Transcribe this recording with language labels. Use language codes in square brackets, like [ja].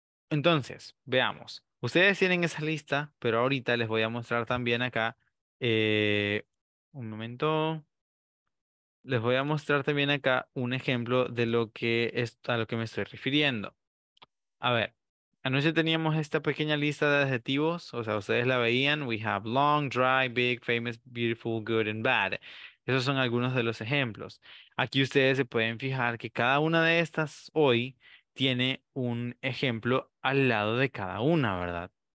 [es] Entonces, veamos. Ustedes tienen esa lista, pero ahorita les voy a mostrar también acá. Un momento. Les voy a mostrar también acá un ejemplo de lo que es a lo que me estoy refiriendo. A ver. Anoche teníamos esta pequeña lista de adjetivos, o sea, ustedes la veían. [en] We have long, dry, big, famous, beautiful, good, and bad. [es] Esos son algunos de los ejemplos. Aquí ustedes se pueden fijar que cada una de estas hoy tiene un ejemplo al lado de cada una, ¿verdad?